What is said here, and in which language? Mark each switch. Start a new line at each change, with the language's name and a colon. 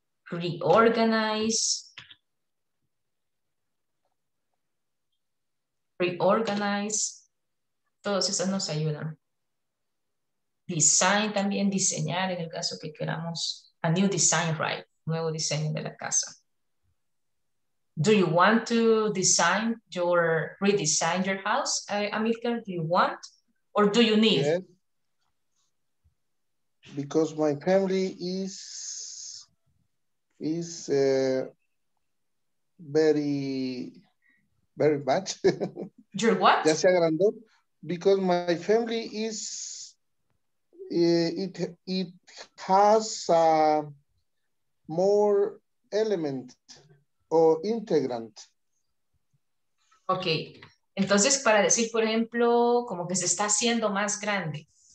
English: Reorganize.
Spanish: Reorganize. Todos esos nos ayudan. Design también, diseñar en el caso que queramos.
English: A new design, right?
Spanish: Nuevo diseño de la casa.
English: Do you want to design your, redesign your house, Amilcar? Do you want or do you need? Yes. Because my family is very, very much. Your what?
Spanish: Ya se agrandó.
English: Because my family is, it has more element or integrant. Okay.
Spanish: Entonces, para decir, por ejemplo, como que se está haciendo más grande.